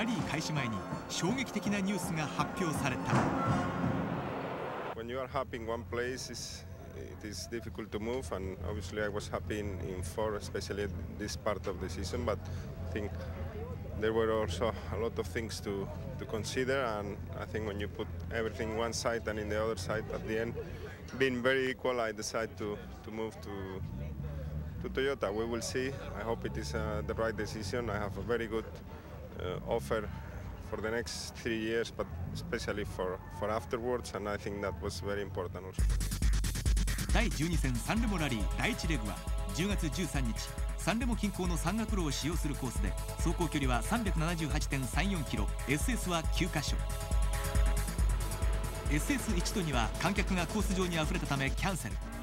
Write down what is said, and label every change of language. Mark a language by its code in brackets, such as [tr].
[ja] 開始前に衝撃的なニュースが発表された。 [en] When you are hopping one place, it is difficult to move. And obviously, I was hopping in four, especially at this part of the season. But I think there were also a lot of things to consider. And I think when you put everything one side and in the other side at the end, being very equal, I decided to move to Toyota. We will see. I hope it is the right decision. I have a very good offer. For the next three years, but especially for afterwards, and I think that was very important also. [ja] 第12戦サンレモラリー第1レグは10月13日サンレモ近郊の山岳路を使用するコースで、走行距離は 378.34 キロ、 SS は9カ所。 SS1 と2は観客がコース上にあふれたためキャンセル。